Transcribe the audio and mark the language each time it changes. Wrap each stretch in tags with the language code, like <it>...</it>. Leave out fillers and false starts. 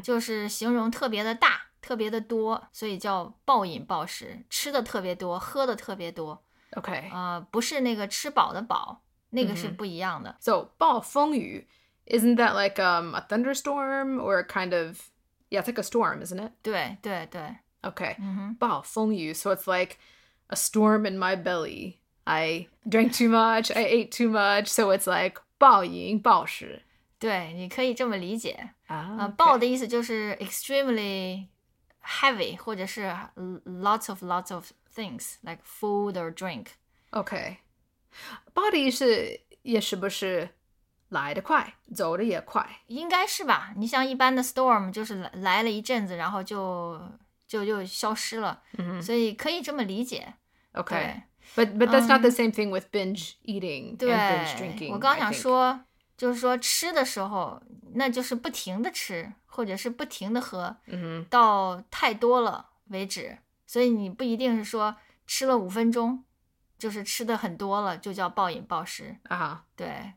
<zh>就是形容特别的大，特别的多，所以叫暴饮暴食，吃的特别多，喝的特别多。</zh> <en>Okay.</en> <zh>不是那个吃饱的饱。那个是不一样的。 Mm-hmm.</zh> <en>So, 暴风雨, isn't that like a thunderstorm or kind of, yeah, it's like a storm, isn't it?</en> <zh>对对对。</zh> <en>Okay, 暴风雨, so it's like a storm in my belly. I drank too much, I ate too much, so it's like 暴饮暴食。</en> <zh>对,你可以这么理解。</zh> <en>Okay.</en> <zh>暴的意思就是</zh> <en>extremely heavy,</en> <zh>或者是</zh> <en>lots of things, like food or drink.</en> <zh>Okay. Body 是也是不是来得快走得也快，应该是吧。你像一般的 storm 就是 来了一阵子然后就消失了、 mm-hmm. 所以可以这么理解。</zh> <en>OK, but that's not the same thing with binge eating and binge drinking.</en> <zh>我刚想说就是说吃的时候那就是不停的吃或者是不停的喝、 mm-hmm. 到太多了为止，所以你不一定是说吃了五分钟就是吃的很多了就叫暴饮暴食啊、uh-huh. 对</zh>